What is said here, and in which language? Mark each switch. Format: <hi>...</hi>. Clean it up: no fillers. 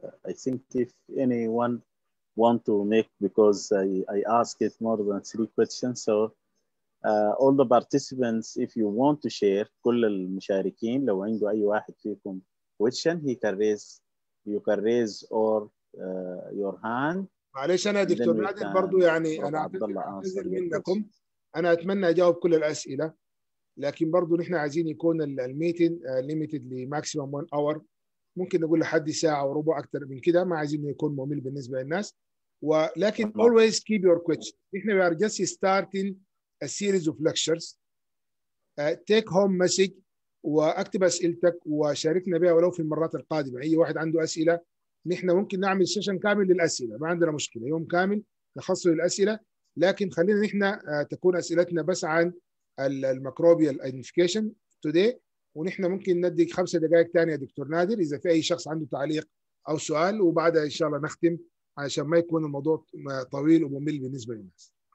<en>I think if anyone want to make, because I ask it more than three questions, so all the participants, if you want to share, كل المشاركين لو عنده أي واحد فيكم question, he can raise, you can raise or your hand.</en> <ar>معلش أنا دكتور نادر برضو يعني أنا عبدالله أنزل منكم. أنا أتمنى أجاوب كل الأسئلة، لكن برضو نحن عايزين يكون الميتين ليميتد لماكسيمم 1 أور، ممكن نقول لحد ساعة وربع أكثر من كده، ما عايزين يكون ممل بالنسبة للناس.</ar> <en>ولكن always keep your question. نحن we are just starting a series of lectures.</en> <ar>Take home message وأكتب أسئلتك وشاركنا بها ولو في المرات القادمة. أي واحد عنده أسئلة نحن ممكن نعمل سيشن كامل للأسئلة، ما عندنا مشكلة، يوم كامل تخصص للأسئلة. لكن خلينا نحن تكون اسئلتنا بس عن الميكروبيال ايدنتيفيكيشن توداي، ونحن ممكن نديك 5 دقائق ثانيه يا دكتور نادر اذا في اي شخص عنده تعليق او سؤال، وبعدها ان شاء الله نختم عشان ما يكون الموضوع طويل وممل بالنسبه للناس.</ar>